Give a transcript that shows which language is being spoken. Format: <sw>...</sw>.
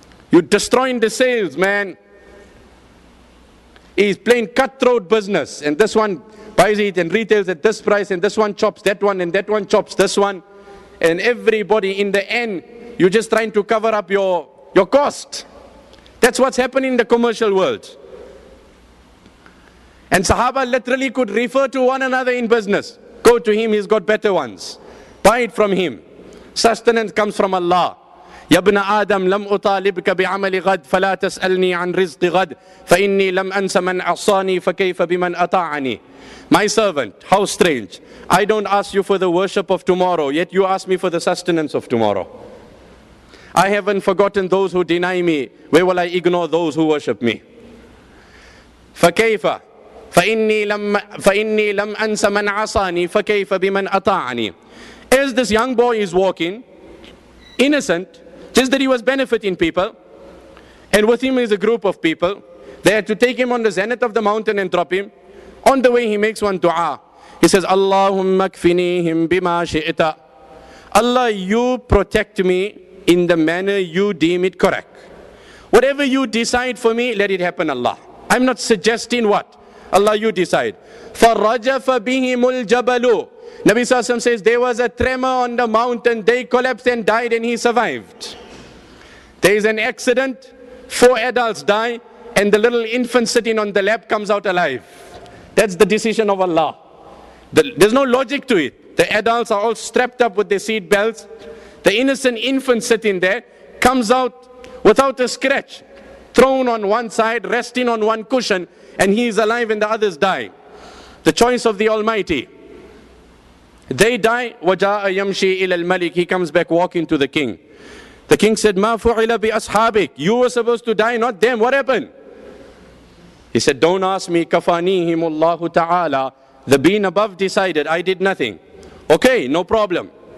<en>You're destroying the sales, man. He's playing cutthroat business, and this one buys it and retails at this price, and this one chops that one, and that one chops this one, and everybody, in the end, you're just trying to cover up your cost. That's what's happening in the commercial world. And Sahaba literally could refer to one another in business. Go to him, he's got better ones. Buy it from him. Sustenance comes from Allah.</en> <ar>يا ابن آدم لم أطالبك بعمل غد فلا تسألني عن رزق غد فإني لم أنس من أعصاني فكيف بمن أطاعني.</ar> <en>My servant, how strange. I don't ask you for the worship of tomorrow, yet you ask me for the sustenance of tomorrow. I haven't forgotten those who deny me. Where will I ignore those who worship me?</en> <ar>فكيف فإني لم أنس من عصاني فكيف بمن أطاعني.</ar> <en>As this young boy is walking, innocent, just that he was benefiting people, and with him is a group of people. They had to take him on the zenith of the mountain and drop him. On the way, he makes one dua. He says,</en> <ar>Allahumma kfinihim bima shi'ita.</ar> <en>Allah, you protect me in the manner you deem it correct. Whatever you decide for me, let it happen, Allah. I'm not suggesting what. Allah, you decide.</en> <ar>فَرَّجَفَ بِهِمُ الْجَبَلُ.</ar> <en>Nabi Sassam says there was a tremor on the mountain, they collapsed and died and he survived. There is an accident, four adults die and the little infant sitting on the lap comes out alive. That's the decision of Allah. There's no logic to it. The adults are all strapped up with their seat belts. The innocent infant sitting there comes out without a scratch, thrown on one side, resting on one cushion, and he is alive and the others die. The choice of the Almighty. They die,</en> <ar>وَجَاءَ يَمْشِي إِلَى الْمَلِكِ.</ar> <en>He comes back walking to the king. The king said,</en> <ar>مَا فُعِلَ بِأَصْحَابِكِ.</ar> <en>You were supposed to die, not them. What happened? He said, don't ask me.</en> <ar>كَفَانِيهِمُ اللَّهُ تَعَالَى.</ar> <en>The being above decided, I did nothing. Okay, no problem.</en>